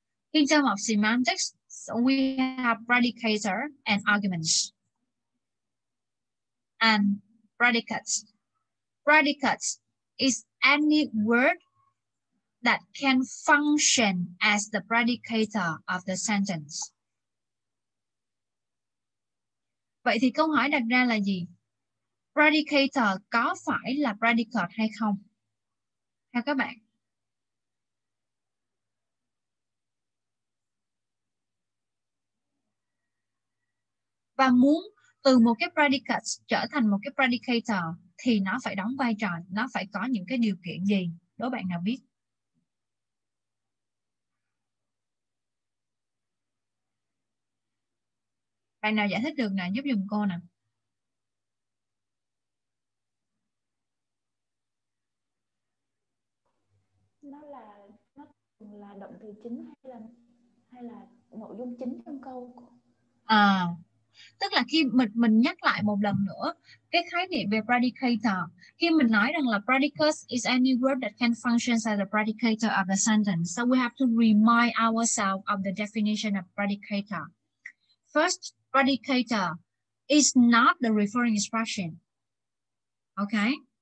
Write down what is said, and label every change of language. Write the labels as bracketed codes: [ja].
[en] In terms of semantics, so we have predicator and arguments. And predicates. Predicates is any word that can function as the predicator of the sentence. [vi] Vậy thì câu hỏi đặt ra là gì? Predicator có phải là predicate hay không? Theo các bạn. Và muốn từ một cái predicate trở thành một cái predicator thì nó phải đóng vai trò, nó phải có những cái điều kiện gì? Đố bạn nào biết? Bạn nào giải thích được nào, giúp giùm cô nè. Nó là động từ chính hay là nội dung chính trong câu? Tức là khi mình nhắc lại một lần nữa cái khái niệm về predicator. Khi mình nói rằng là [en] predicate is any word that can function as a predicator of the sentence, so we have to remind ourselves of the definition of predicator. First, predicator is not the referring expression. Okay?